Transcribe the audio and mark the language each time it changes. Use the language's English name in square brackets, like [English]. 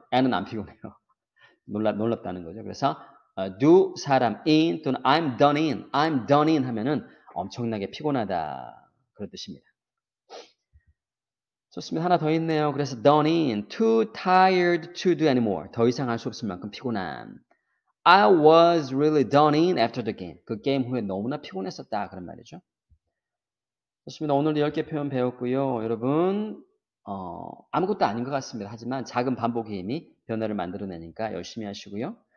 [Korean] Annie는 안 피곤해요. 놀랐다는 거죠. 그래서 do 사람 in 또는 I'm done in 하면은 엄청나게 피곤하다 그런 뜻입니다. 좋습니다. 하나 더 있네요. 그래서 [English] done in, too tired to do anymore. [Korean] 더 이상 할 수 없을 만큼 피곤한. [English] I was really done in after the game. [Korean] 그 게임 후에 너무나 피곤했었다 그런 말이죠. 좋습니다. 오늘 10개 표현 배웠고요. 여러분 아무것도 아닌 것 같습니다. 하지만 작은 반복의 힘이 변화를 만들어내니까 열심히 하시고요.